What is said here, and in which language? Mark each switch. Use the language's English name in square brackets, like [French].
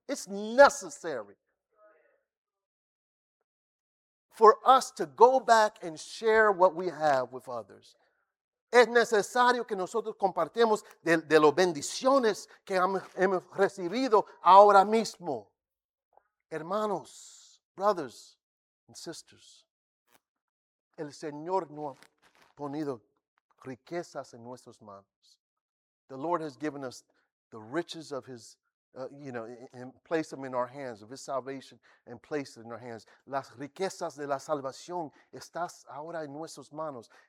[English] It's necessary for us to go back and share what we have with others. [Spanish] Es necesario que nosotros compartamos de las bendiciones que hemos recibido ahora mismo. Hermanos, [English] brothers and sisters, [Spanish] el Señor no ha ponido riquezas en nuestras manos. [English] The Lord has given us the riches of his, and placed them in our hands, of his salvation, and placed it in our hands. [Spanish] Las riquezas de la salvación están ahora en nuestras manos.